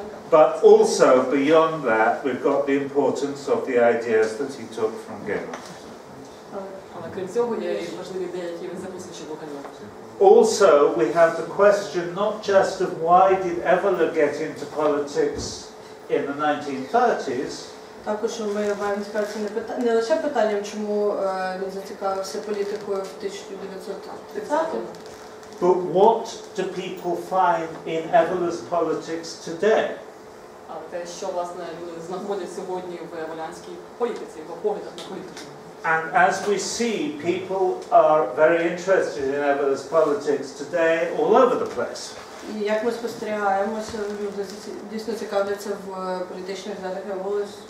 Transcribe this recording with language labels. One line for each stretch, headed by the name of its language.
English: But also, beyond that, we've got the importance of the ideas that he took from Genon. Also, we have the question not just of why did Evola get into politics in the 1930s,
Ukrainian: також у моєї ваніскації не лише питанням, чому він зацікавився політикою в 1930-му.
English: But what do people find in Evola's politics today?
Ukrainian: А те, що, власне, люди знаходять сьогодні в еволянській політиці, в поглядах на політику.
English: And as we see, people are very interested in Evola's politics today all over the place.
Ukrainian: І як ми спостерігаємо, люди дійсно цікавляться в політичних зарядах Еволи.